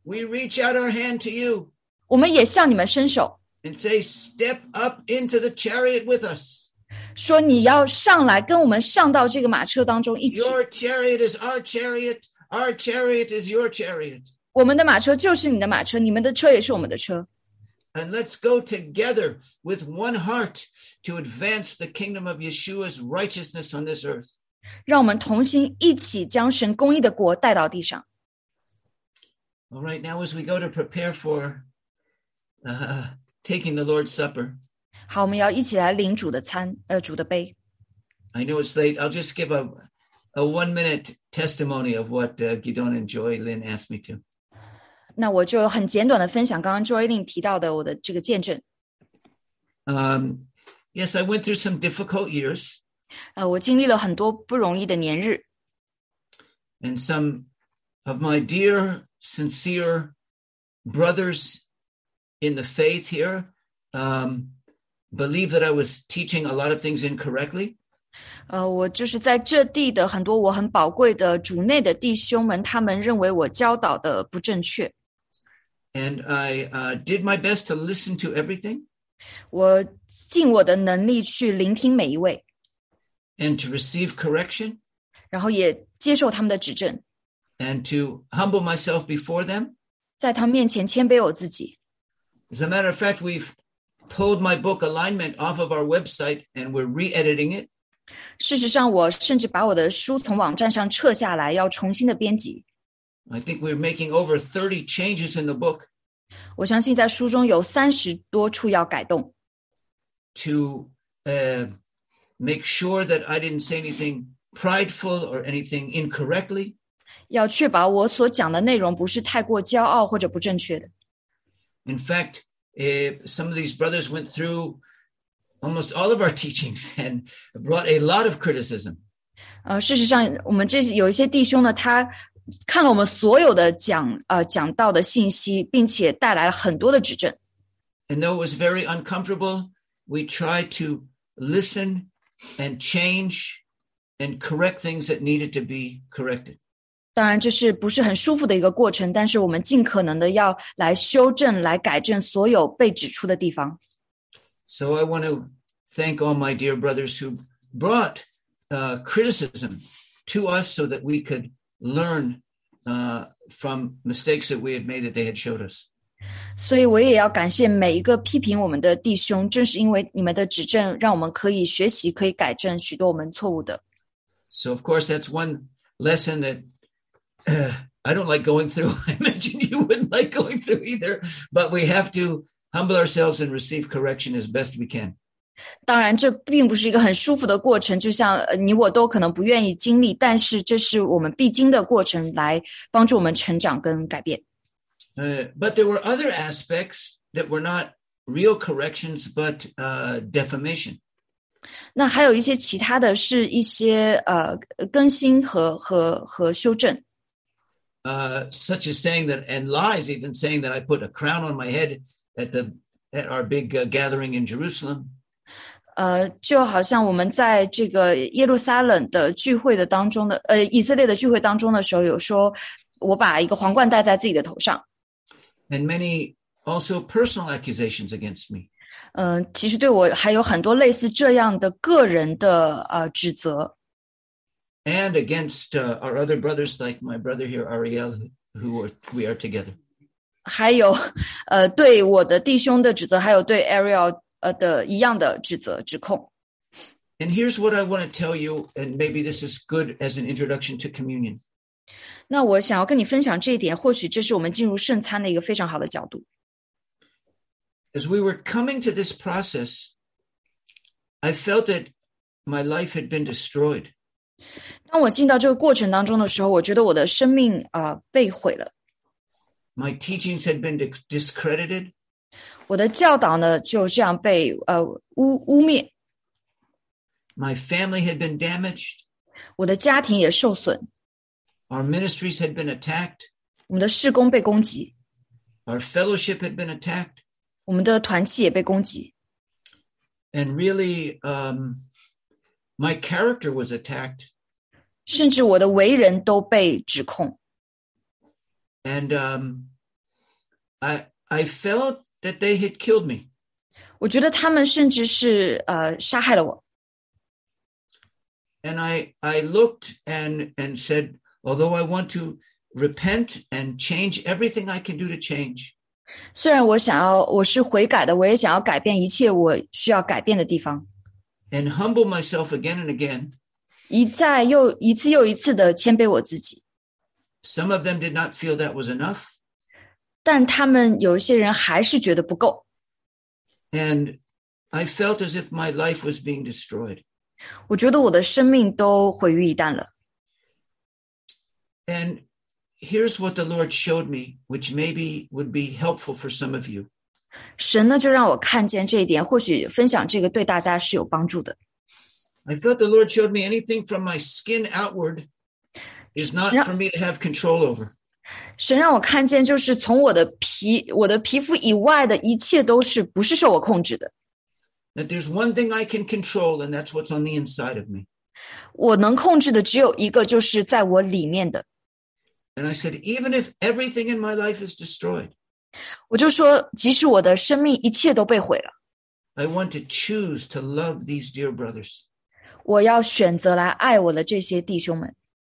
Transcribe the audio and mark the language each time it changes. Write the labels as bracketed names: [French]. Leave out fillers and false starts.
[English] We reach out our hand to you. [Chinese] 我们也向你们伸手。 [English] And say, step up into the chariot with us. [Chinese] 说你要上来跟我们上到这个马车当中一起。 [English] Your chariot is our chariot. Our chariot is your chariot. [Chinese] 我们的马车就是你的马车，你们的车也是我们的车。 [English] And let's go together with one heart to advance the kingdom of Yeshua's righteousness on this earth. [Chinese] 让我们同心一起将神公义的国带到地上。 [English] All right, now as we go to prepare for taking the Lord's Supper. [Chinese] 好，我们要一起来领主的餐，主的杯。 [English] I know it's late. I'll just give a 1 minute testimony of what Gidon and Joy Lynn asked me to. [Chinese] 那我就很简短的分享刚刚 Joy Lynn 提到的我的这个见证。 [English] Yes, I went through some difficult years. [Chinese] 我经历了很多不容易的年日。 [English] And some of my dear, sincere brothers in the faith here, believe that I was teaching a lot of things incorrectly. [Chinese] 我就是在这地的很多我很宝贵的主内的弟兄们，他们认为我教导的不正确。 [English] And I did my best to listen to everything. [Chinese] 我尽我的能力去聆听每一位。 [English] And to receive correction. [Chinese] 然后也接受他们的指正。 [English] And to humble myself before them. [Chinese] 在他们面前谦卑我自己。 [English] As a matter of fact, we've pulled my book Alignment off of our website and we're re-editing it. [Chinese] 事实上我甚至把我的书从网站上撤下来要重新的编辑。 [English] I think we're making over 30 changes in the book. [Chinese] 我相信在书中有30多处要改动。 [English] To make sure that I didn't say anything prideful or anything incorrectly. [Chinese] 要确保我所讲的内容不是太过骄傲或者不正确的。 [English] In fact, some of these brothers went through almost all of our teachings and brought a lot of criticism. [Chinese] 事实上我们这有一些弟兄呢，他看了我们所有的讲到的信息，并且带来了很多的指正。 [English] And though it was very uncomfortable, we tried to listen and change and correct things that needed to be corrected. [Chinese] 当然这是不是很舒服的一个过程，但是我们尽可能的要来修正，来改正所有被指出的地方。 [English] So I want to thank all my dear brothers who brought criticism to us so that we could learn from mistakes that we had made that they had showed us. [Chinese] 所以我也要感谢每一个批评我们的弟兄，正是因为你们的指正，让我们可以学习，可以改正许多我们错误的。 [English] So of course that's one lesson that I don't like going through. I imagine you wouldn't like going through either. But we have to humble ourselves and receive correction as best we can. [Chinese] 当然这并不是一个很舒服的过程，就像你我都可能不愿意经历，但是这是我们必经的过程，来帮助我们成长跟改变。 [English] But there were other aspects that were not real corrections, but defamation. [Chinese] 那还有一些其他的是一些更新和修正。 [English] Such as saying that, and lies, even saying that I put a crown on my head at our big gathering in Jerusalem. [Chinese] 就好像我们在这个耶路撒冷的聚会的当中的，以色列的聚会当中的时候，有说我把一个皇冠戴在自己的头上。 [English] And many also personal accusations against me. [Chinese] 其实对我还有很多类似这样的个人的指责。 [English] And against our other brothers, like my brother here, Ariel, who we are together. [Chinese] 还有，对我的弟兄的指责，还有对 Ariel 的一样的指责指控。 [English] And here's what I want to tell you, and maybe this is good as an introduction to communion. [Chinese] 那我想要跟你分享这一点，或许这是我们进入圣餐的一个非常好的角度。 [English] As we were coming to this process, I felt that my life had been destroyed. [Chinese] 当我进到这个过程当中的时候，我觉得我的生命被毁了。 [English] My teachings had been discredited. [Chinese] 我的教导呢就这样被污蔑。 [English] My family had been damaged. [Chinese] 我的家庭也受损。 [English] Our ministries had been attacked. [Chinese] 我们的事工被攻击。 [English] Our fellowship had been attacked. [Chinese] 我们的团契也被攻击。 [English] And really, my character was attacked. [Chinese] 甚至我的为人都被指控。 [English] And I felt that they had killed me. [Chinese] 我觉得他们甚至是杀害了我。 [English] And I looked and said, although I want to repent and change everything I can do to change. [Chinese] 虽然我想要我是悔改的，我也想要改变一切我需要改变的地方。 [English] And humble myself again and again. [Chinese] 一次又一次的谦卑我自己。 [English] Some of them did not feel that was enough. [Chinese] 但他们有一些人还是觉得不够。 [English] And I felt as if my life was being destroyed. [Chinese] 我觉得我的生命都毁于一旦了。 [English] And here's what the Lord showed me, which maybe would be helpful for some of you. [Chinese] 神呢就让我看见这一点，或许分享这个对大家是有帮助的。 [English] I felt the Lord showed me anything from my skin outward is not for me to have control over. [Chinese] 神让我看见就是从我的皮肤以外的一切都是不是受我控制的。 [English] That there's one thing I can control, and that's what's on the inside of me. [Chinese] 我能控制的只有一个，就是在我里面的。 [English] And I said, even if everything in my life is destroyed, [Chinese] 我就说，即使我的生命一切都被毁了。 [English] I want to choose to love these dear brothers. [Chinese] 我要选择来爱我的这些弟兄们。